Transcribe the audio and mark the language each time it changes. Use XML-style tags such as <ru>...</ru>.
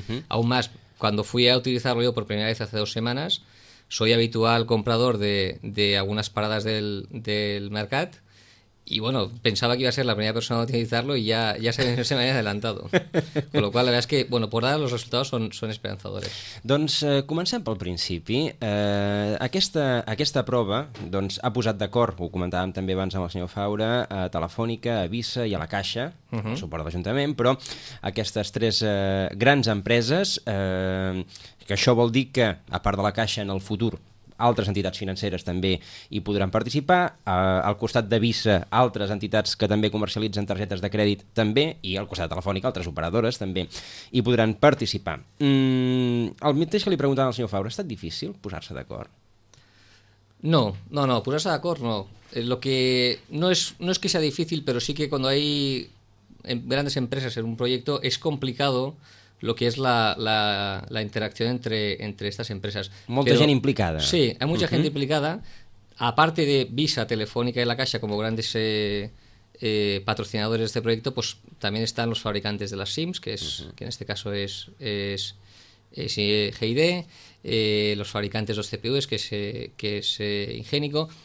<es>Aún más, cuando fui a utilizarlo yo por primera vez hace 2 semanas, soy habitual comprador de algunas paradas del Mercat y bueno, pensaba que iba a ser la primera persona a utilizarlo y ya se me había adelantado. Con lo cual, la verdad es que, bueno, por ahora los resultados son esperanzadores.</es> <ca>Doncs comencem pel principi. Aquesta prova doncs ha posat d'acord, ho comentàvem també abans amb el senyor Faura, a Telefònica, a Visa i a la Caixa, el suport de l'Ajuntament, però aquestes tres grans empreses, que això vol dir que, a part de la Caixa, en el futur, altres entitats financeres també hi podran participar, al costat de Visa altres entitats que també comercialitzen targetes de crèdit també, i al costat de Telefònica altres operadores també hi podran participar. El mateix que li preguntava al senyor Faura, ha estat difícil posar-se d'acord? No, posar-se d'acord no.</ca> <es>Lo que no es que sea difícil, pero sí que cuando hay grandes empresas en un proyecto es complicado lo que es la interacción entre estas empresas. Mucha gente implicada. Sí, hay mucha gente implicada, aparte de Visa, Telefónica y La Caixa como grandes patrocinadores de este proyecto, pues también están los fabricantes de las SIMs, que es que en este caso es GID, los fabricantes de los CPUs, que es Ingenico.</es>